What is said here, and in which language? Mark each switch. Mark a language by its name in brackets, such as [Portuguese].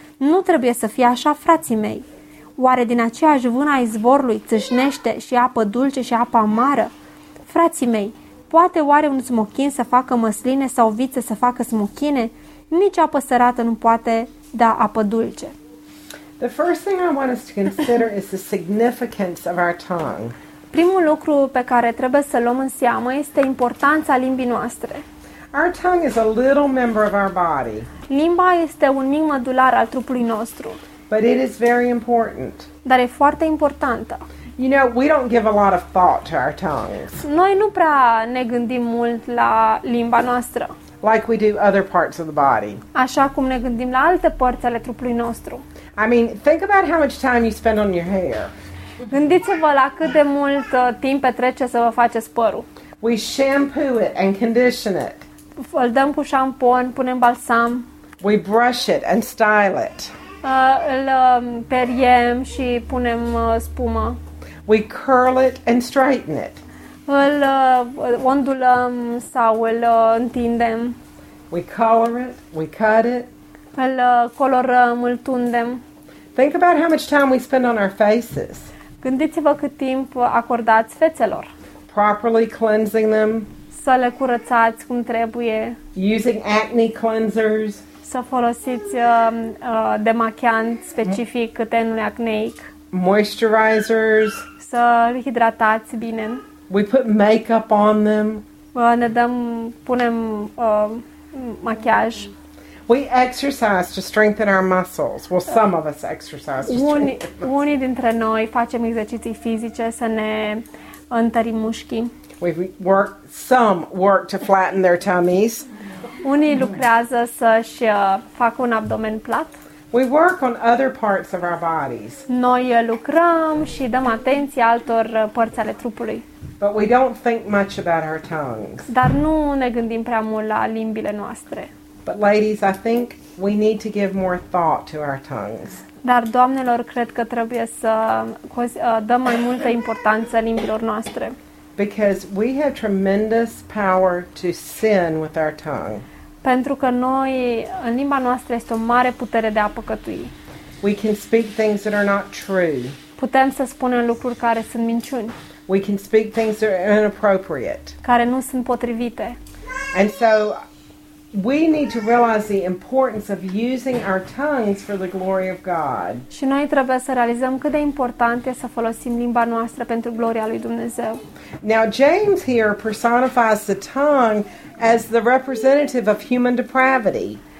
[Romanian] Nu trebuie să fie așa, frații mei. Oare din aceeași vână a izvorului țâșnește și apă dulce și apă amară? Frații mei, poate oare un smochin să facă măsline sau o viță să facă smochine? Nici apă sărată nu poate da apă dulce. [English] The first thing I want us to consider is the significance of our tongue. [Romanian] Primul lucru pe care trebuie să luăm în seamă este importanța limbii noastre. [English] Our tongue is a little member of our body. [Romanian] Limba este un mic mădular al trupului nostru. [English] But it is very important. [Romanian] Dar e foarte importantă. [English] You know, we don't give a lot of thought to our tongues. [Romanian] Noi nu prea ne gândim mult la limba noastră. [English] Like we do other parts of the body. [Romanian] Așa cum ne gândim la alte părți ale trupului nostru. [English] I mean, think about how much time you spend on your hair. [Romanian] Gândiți-vă la cât de mult timp petrece să vă faceți părul. [English] We shampoo it and condition it. [Romanian] Îl dăm cu șampon, punem balsam. [English] We brush it and style it. [Romanian] Îl periem și punem spumă. [English] We curl it and straighten it. [Romanian] Îl ondulăm sau îl întindem. [English] We color it, we cut it. [Romanian] Îl colorăm, îl tundem. [English] Think about how much time we spend on our faces. [Romanian] Gândiți-vă cât timp acordați fețelor. [English] Properly cleansing them. [Romanian] Să le curățați cum trebuie. [English] Using acne cleansers. [Romanian] Să folosiți demachiant specific tenului acneic. [English] Moisturizers. [Romanian] Să le hidratați bine. [English] We put makeup on them. [Romanian] Punem machiaj. [English] We exercise to strengthen our muscles. Well, some of us exercise. [Romanian] Unii dintre noi facem exerciții fizice să ne întărim mușchii. [English] Some work to flatten their tummies. [Romanian] Unii lucrează să-și facă un abdomen plat. [English] We work on other parts of our bodies. [Romanian] Noi lucrăm și dăm atenție altor părți ale trupului. [English] But we don't think much about our tongues. [Romanian] Dar nu ne gândim prea mult la limbile noastre. [English] But ladies, I think we need to give more thought to our tongues. [Romanian] Dar doamnelor, cred că trebuie să dăm mai multă importanță limbilor noastre. [English] Because we have tremendous power to sin with our tongue. [Romanian] Pentru că noi, în limba noastră este o mare putere de a păcătui. [English] We can speak things that are not true. [Romanian] putem să spunem lucruri care sunt minciuni. [English] We can speak things that are inappropriate. [Romanian] Care nu sunt potrivite. [English] And so we need to realize the importance of using our tongues for the glory of God. [Romanian] Și noi trebuie să realizăm cât de important e să folosim limba noastră pentru gloria lui Dumnezeu. [English] Now James here personifies the tongue as the representative of human depravity.